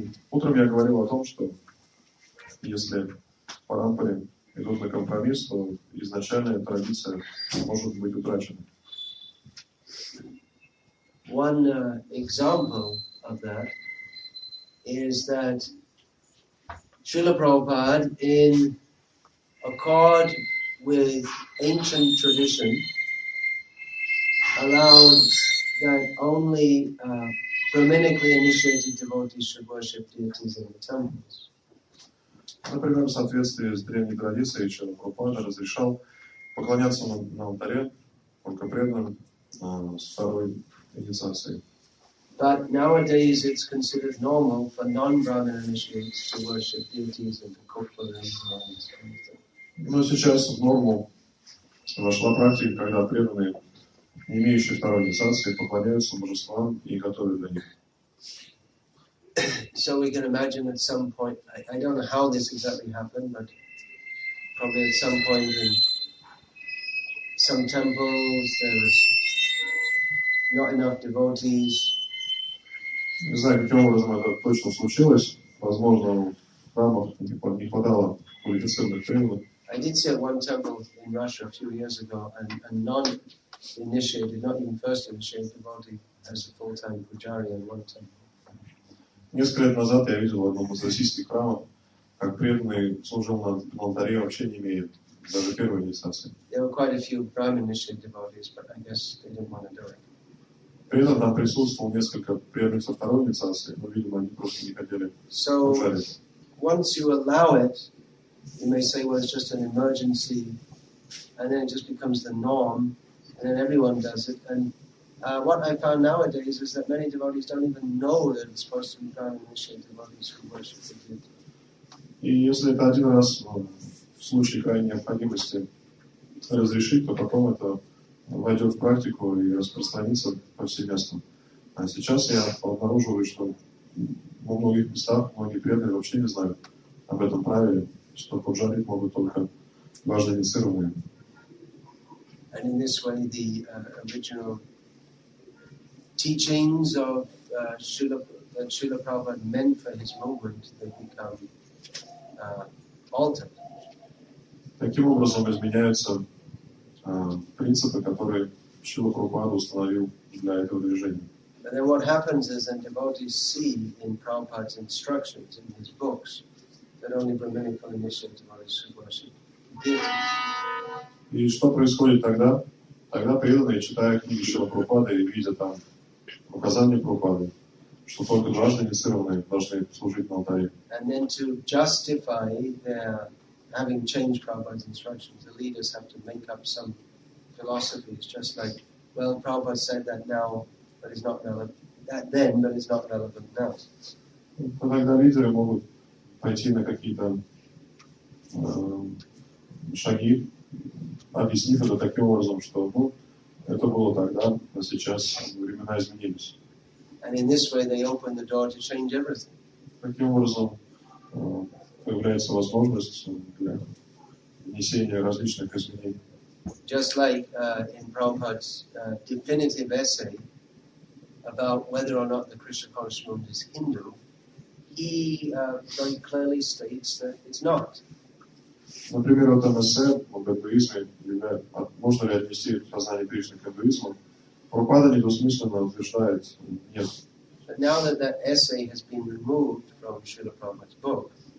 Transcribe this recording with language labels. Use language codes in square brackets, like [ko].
[ru] Утром я говорил о том, что если парампары идут на компромисс, то изначальная традиция может быть утрачена. [en] One example of that is that Srila Prabhupada, in accord with ancient tradition, allowed that only brahminically initiated devotees should worship deities in the temples. [ru] Например, в соответствии с древней традицией, Шрила Прабхупада разрешал поклоняться на алтаре только преданным с второй инициацией. [en] But nowadays it's considered normal for non-Brahmin initiates to worship deities in the Kokulas and all these kinds of things. [ru] Но сейчас в норму вошла практика, когда преданные, не имеющие второй инициации, поклоняются божествам и готовят для них. [en] So we can imagine at some point, I don't know how this exactly happened, but probably at some point in some temples there's not enough devotees. [ru] Не знаю, каким образом это точно случилось. Возможно, в храмах не хватало квалифицированных преданных. [en] I did see at one temple in Russia a few years ago, and a non-initiated, not even first initiated devotee as a full-time pujari in one temple. [ru] Несколько лет назад я видел в одном из российских храмов, как преданный служил на алтаре, вообще не имеет даже первой инициации. [en] There were quite a few Brahmin-initiated devotees, but I guess they didn't want to do it. [ru] При этом там присутствовало несколько преданных со второй инициации, но, видимо, они просто не хотели [en] So, once you allow it, you may say, well, it's just an emergency, and then it just becomes the norm, and then everyone does it. And what I found nowadays is that many devotees don't even know that it's supposed to be Brahmin-initiated devotees who worship the deity. [ru] И если это один раз в случае крайней необходимости разрешить, то потом это войдет в практику и распространится повсеместно. А сейчас я обнаруживаю, что во многих местах многие преданные вообще не знают об этом правиле, что пуджарить могут только важные инициированные. [en] And in this way, the original teachings of Srila Prabhupada meant for his moment, they become altered. [ru] Таким образом изменяются принципы, которые Шрила Прабхупада установил для этого движения. [en] But then what happens is that devotees see in Prabhupada's instructions in his books that only brahminical initiated devotees should worship deities. [ru] И что происходит тогда? Тогда преданные, читая книги Шрила Прабхупады и видя там указания Прабхупады, что только дважды инициированные должны служить на алтаре. [en] And then to justify their having changed Prabhupada's instructions, the leaders have to make up some philosophies, just like, well, Prabhupada said that now, but it's not that then, but it's not relevant now. [ru] Тогда лидеры могут пойти на какие-то шаги, объяснив это таким образом, что ну, это было тогда, а сейчас времена изменились. [en] And in this way, they open the door to change everything. [ru] Таким образом, появляется возможность для внесения различных изменений. [en] Just like in Prabhupada's definitive essay about whether or not the Krishna conscious movement is Hindu, he very clearly states that it's not. [ru] Например, в этом эссе об индуизме, можно ли отнести сознание Кришны к индуизму, Прабхупада недвусмысленно утверждает нет. [en] But now that that essay has been removed from Srila Prabhupada's book,